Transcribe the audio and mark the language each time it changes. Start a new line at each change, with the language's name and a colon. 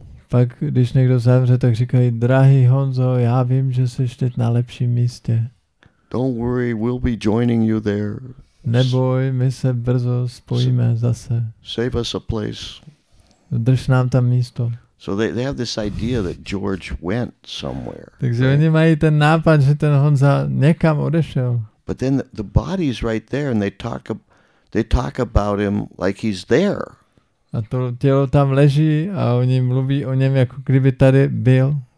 Czech: Pak, když někdo zemře, tak říkají, drahý Honzo, já vím, že jsi teď na lepším místě.
English: Don't worry, we'll be joining you there.
Czech: Neboj, my se brzo spojíme zase.
English: Save us a place.
Czech: Drž nám tam místo.
English: So they have this idea that George went somewhere.
Czech: Takže oni mají ten nápad, že ten Honza někam odešel.
English: But then the body's right there and they talk about him like he's there.
Czech: A to tělo tam leží a oni mluví o něm jako kdyby tady byl.